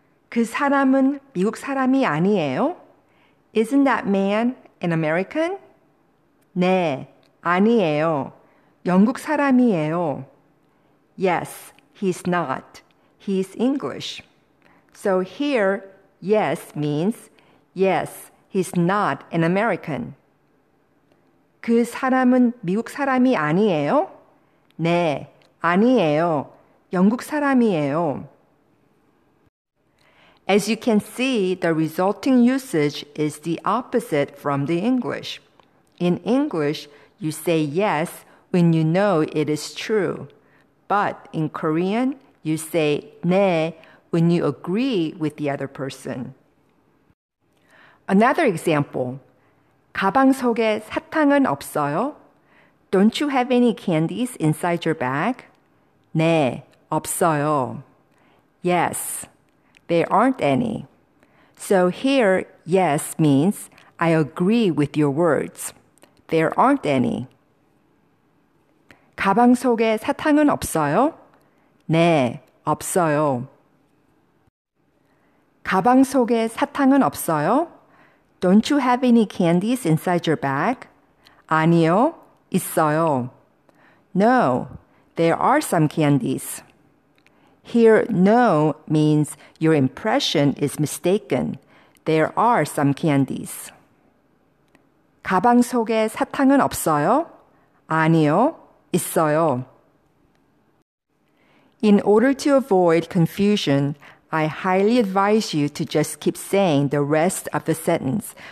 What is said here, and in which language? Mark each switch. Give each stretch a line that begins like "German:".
Korean: 그 사람은 미국 사람이 아니에요?
English: Isn't that man an American?
Korean: 네, 아니에요. 영국 사람이에요.
English: Yes, He's not. He's English. So here, yes means, yes, he's not an American.
Korean: 그 사람은 미국 사람이 아니에요? 네, 아니에요. 영국 사람이에요.
English: As you can see, the resulting usage is the opposite from the English. In English, you say yes when you know it is true. But in Korean, you say 네 when you agree with the other person. Another example.
Korean: 가방 속에 사탕은 없어요?
English: Don't you have any candies inside your bag?
Korean: 네, 없어요.
English: Yes, there aren't any. So here, yes means I agree with your words. There aren't any.
Korean: 가방 속에 사탕은 없어요? 네, 없어요. 가방 속에 사탕은 없어요?
English: Don't you have any candies inside your bag?
Korean: 아니요, 있어요.
English: No, there are some candies. Here, no means your impression is mistaken. There are some candies.
Korean: 가방 속에 사탕은 없어요? 아니요, 있어요.
English: In order to avoid confusion, I highly advise you to just keep saying the rest of the sentence.